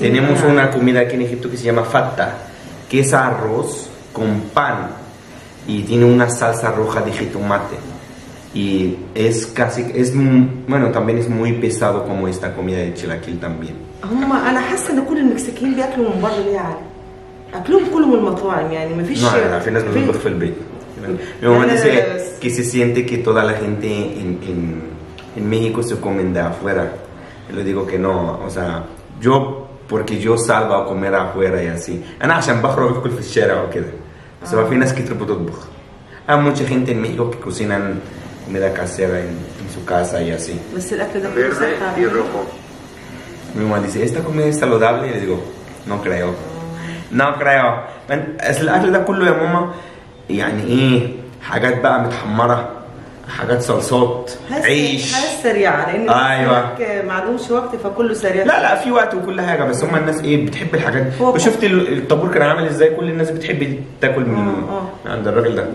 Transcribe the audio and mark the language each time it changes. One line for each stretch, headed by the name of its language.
Spanish: tenemos una comida aquí en Egipto que se llama fatta, que es arroz con pan y tiene una salsa roja de jitomate y es casi es bueno también es muy pesado como esta comida de chilaquil también.
Arabic: هما انا حاسه ان كل المكسيكيين بياكلوا من بره ليه عادي اكلهم كلهم المطاعم يعني مفيش في ناس بتطبخ في البيت.
Spanish: Mi mamá dice que se siente que toda la gente en México se comen de afuera. Yo le digo que no, o sea, yo porque yo salgo a comer afuera y así.
Arabic: انا عشان بخرج اكل في الشارع وكده.
Spanish: Pero hay
Arabic: ناس كتير بتطبخ.
Spanish: Hay mucha gente en México que cocinan comida casera en su casa y así. Verde y rojo. Mi mamá dice, ¿esta comida es saludable? Y le digo, no creo. No creo. Es el arte de culo de mamá.
Arabic: يعني ايه حاجات بقى متحمره حاجات صلصات عيش حاجات سريعه لان أيوة. معندهمش وقت فكله سريع لا في وقت وكل حاجه بس هم الناس ايه بتحب الحاجات وشفت الطابور كان عامل ازاي كل الناس بتحب تاكل من عند الراجل ده